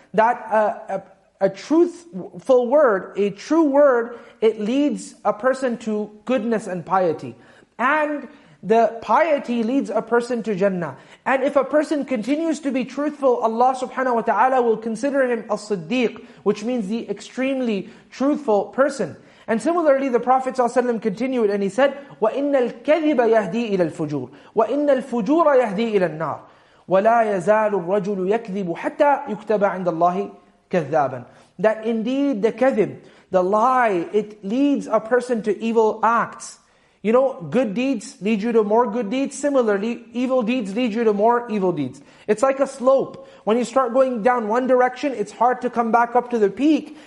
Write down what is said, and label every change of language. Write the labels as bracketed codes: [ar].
[en] That a truthful word, a true word, it leads a person to goodness and piety. And the piety leads a person to Jannah. And if a person continues to be truthful, Allah subhanahu wa ta'ala will consider him as-siddiq, which means the extremely truthful person. And similarly, the Prophet ﷺ continued and he said, [ar] وَإِنَّ الْكَذِبَ يَهْدِي إِلَى الْفُجُورِ وَإِنَّ الْفُجُورَ يَهْدِي إِلَى النَّارِ وَلَا يَزَالُ الرَّجُلُ يَكْذِبُ حَتَّى يُكْتَبَ عِنْدَ اللَّهِ كَذَّابًا. [en] That indeed the kadhib, the lie, it leads a person to evil acts. You know, good deeds lead you to more good deeds. Similarly, evil deeds lead you to more evil deeds. It's like a slope. When you start going down one direction, it's hard to come back up to the peak.